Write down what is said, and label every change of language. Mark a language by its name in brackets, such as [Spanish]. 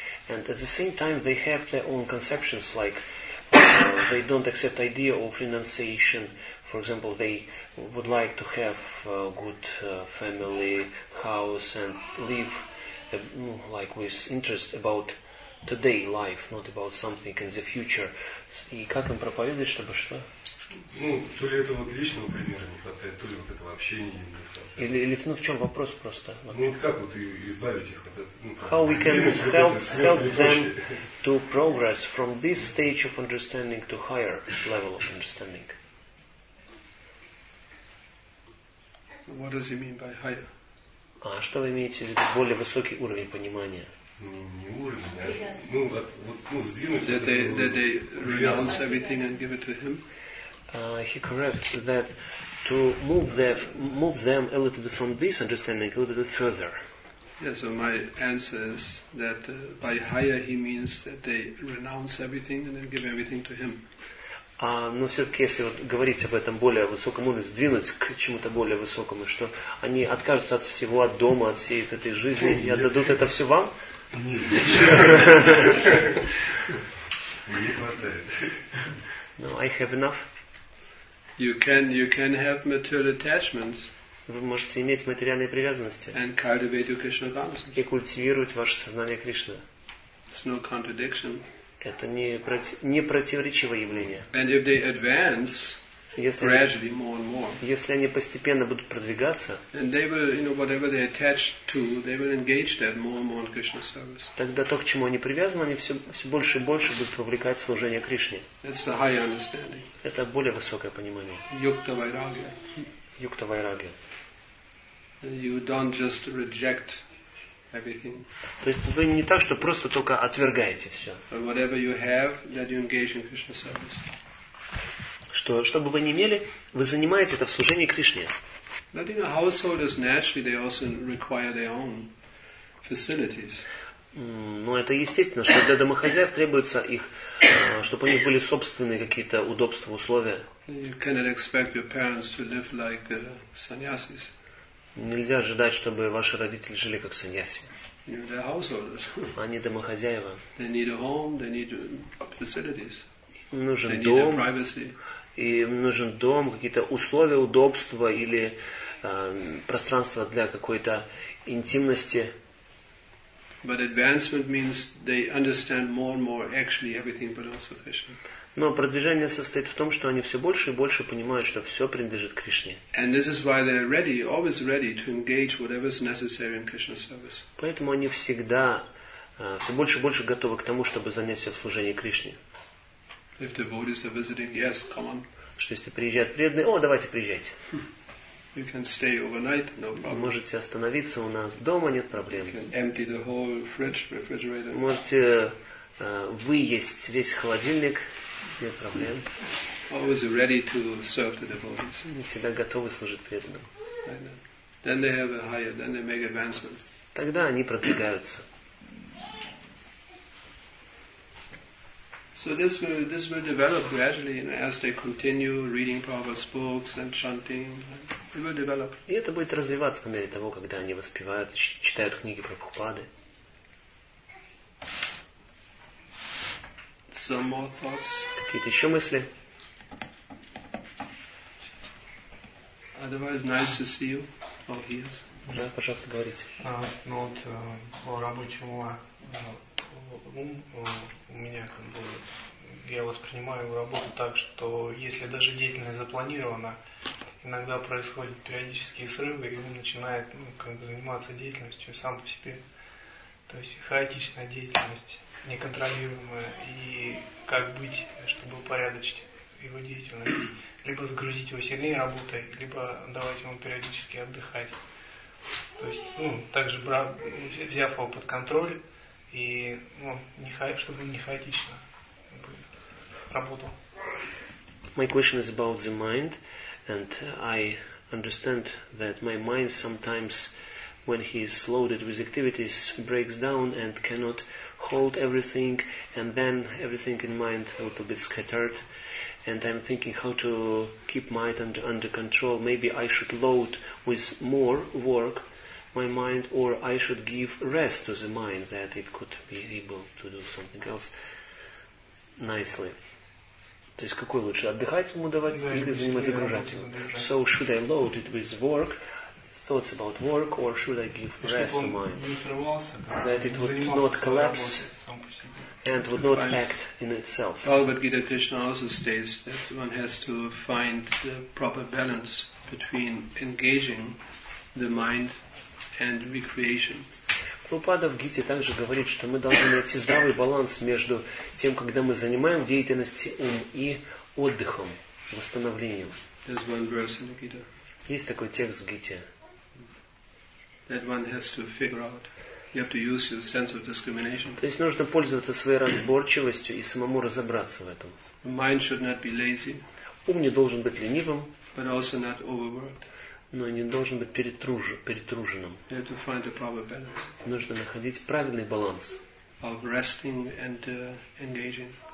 [English] And at the same time, they have their own conceptions, like they don't accept idea of renunciation. For example, they would like to have a good family house and live like with interest about today life, not about something in the future. [Russian] И как им проповедовать, чтобы что? Ну, то ли этого личного примера не хватает, то ли вот этого общения не хватает. Или ну, в чем вопрос просто? Ну, вот как вот избавить их от этого? Ну, [English] how we can help them to progress from this stage of understanding to higher level of understanding? What does he mean by higher? [Russian] А что вы имеете в виду более высокий уровень понимания? Не уровень, а ну вот ну сдвинуть. [English] That they renounce everything and give it to him. He corrects that to move them a little bit from this understanding a little bit further. Yeah, so my answer is that by higher he means that they renounce everything and then give everything to him. [Russian] Но все-таки, если вот говорить об этом более высоком уровне, сдвинуть к чему-то более высокому, что они откажутся от всего, от дома, от всей этой жизни и отдадут это все вам? Не хватает. [English] No, I have enough. You can have material attachments. [Russian] Вы можете иметь материальные привязанности. [English] And cultivate your Krishna consciousness. [Russian] И культивировать ваше сознание Кришны. [English] It's no contradiction. [Russian] Это не противоречивое явление. [English] And if they advance, gradually more and more. [Russian] Если они постепенно будут продвигаться, [English] and they will, you know, whatever they attach to, they will engage that more and more in Krishna service. [Russian] Тогда то, к чему они привязаны, они все больше и больше будут вовлекать в служение Кришне. [English] That's the higher understanding. [Russian] Это более высокое понимание. [Sanskrit] Yukta vairagya. Yukta vairagya. [English] You don't just reject everything. [Russian] То есть вы не так, что просто только отвергаете все. [English] But whatever you have, that you engage in Krishna service. [Russian] Что бы вы ни имели, вы занимаете это в служении Кришне. [English] But, you know, householders naturally they also require their own facilities. [Russian] Ну, это естественно, что для домохозяев требуется их, чтобы у них были собственные какие-то удобства, условия. [English] You cannot expect your parents to live like sannyasis. [Russian] Нельзя ожидать, чтобы ваши родители жили как саньяси. [English] You know, they're householders. [Russian] Они домохозяева. [English] They need a home, they need facilities. [Russian] Нужен [English] they [Russian] дом. [English] Need their privacy. [Russian] И нужен дом, какие-то условия, удобства или пространство для какой-то интимности. [English] But advancement means they understand more and more actually everything belongs to Krishna. [Russian] Но продвижение состоит в том, что они все больше и больше понимают, что все принадлежит Кришне. [English] And this is why they are ready, always ready to engage whatever is necessary in Krishna's service. [Russian] Поэтому они всегда все больше и больше готовы к тому, чтобы занять себя в служении Кришне. [English] If the devotees are visiting, yes, come on. [Russian] Что если приезжают преданные, о, давайте приезжайте. [English] You can stay overnight, no problem. [Russian] Можете остановиться у нас дома, нет проблем. [English] You can empty the whole fridge, refrigerator. [Russian] Можете выесть весь холодильник, нет проблем. [English] Always ready to serve the devotees. [Russian] Всегда готовы служить преданным. [English] Then they have a higher, then they make advancement. [Russian] Тогда они продвигаются. [English] So this will develop gradually, you know, as they continue reading Prabhupada's books and chanting. It will develop. [Russian] И это будет развиваться по мере того, когда они воспевают, читают книги Прабхупады. [English] Some more thoughts. [Russian] Какие-то еще мысли? [English] Otherwise, nice to see you. Oh, yes. [Russian] Да, пожалуйста, говорите. Ну вот по работе ума, ум у меня как бы, я воспринимаю работу так, что если даже деятельность запланирована, иногда происходят периодические срывы, и ум начинает ну, как бы заниматься деятельностью сам по себе. То есть хаотичная деятельность, неконтролируемая. И как быть, чтобы упорядочить его деятельность? Либо загрузить его сильнее работой, либо давать ему периодически отдыхать. То есть, ну, также взяв его под контроль и, ну, чтобы не хаотично работал. [English] My question is about the mind, and I understand that my mind sometimes, when he is loaded with activities, breaks down and cannot hold everything, and then everything in mind a little bit scattered. And I'm thinking how to keep mind under control. Maybe I should load with more work my mind, or I should give rest to the mind that it could be able to do something else nicely. [Russian] То есть какой лучше, отдыхать ему давать или заниматься загружать? [English] So should I load it with work? Thoughts about work, or should I give rest to mind? That it would not collapse and would not act in itself. Bhagavad Gita Krishna also states that one has to find the proper balance between engaging the mind and recreation. [Russian] Prabhupada в Гите также говорит, что мы должны найти здравый баланс между тем, когда мы занимаем деятельности ум и отдыхом, восстановлением. [English] There's one verse in the Gita. [Russian] Есть такой текст в Гите. [English] That one has to figure out. You have to use your sense of discrimination. [Russian] То есть нужно пользоваться своей разборчивостью и самому разобраться в этом. [English] Mind should not be lazy. [Russian] Ум не должен быть ленивым. [English] But also not overworked. [Russian] Но не должен быть перетруженным. [English] You have to find the proper balance. [Russian] Нужно находить правильный баланс. [English] Of resting and engaging.